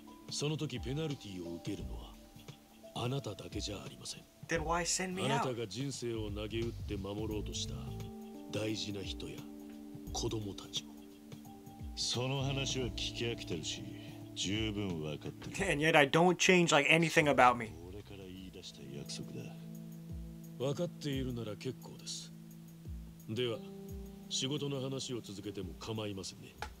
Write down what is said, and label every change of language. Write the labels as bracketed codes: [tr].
[ja] その時ペナルティを受けるのはあなただけじゃありません。 [en] Then why send me out? [ja] あなたが人生を投げ打って守ろうとした大事な人や子供たちも。その話は聞き飽きてるし。十分分かってる。 [en] And yet I don't change like anything about me. [ja] 俺から言い出した約束だ。分かっているなら結構です。では仕事の話を続けても構いませんね。